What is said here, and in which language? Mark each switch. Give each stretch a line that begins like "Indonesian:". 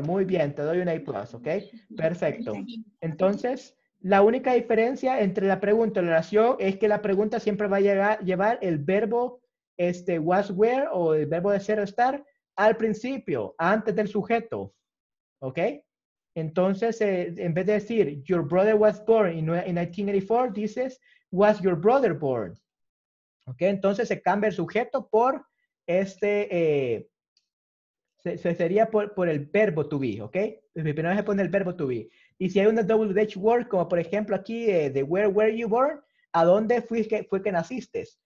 Spanish: Muy bien, te doy un A+, ¿ok? Perfecto. Entonces, la única diferencia entre la pregunta y la oración es que la pregunta siempre va a llevar el verbo este, was where o el verbo de ser o estar al principio, antes del sujeto. ¿Ok? Entonces, en vez de decir,
English: your brother was born in 1984,
Spanish: dices,
English: was your brother born?
Spanish: ¿Ok? Entonces, se cambia el sujeto por este, sería por el verbo to be, ¿ok? Primero se pone el verbo to be. Y si hay una WH word, como por ejemplo aquí, de
English: where were you born,
Spanish: ¿a dónde fue que naciste?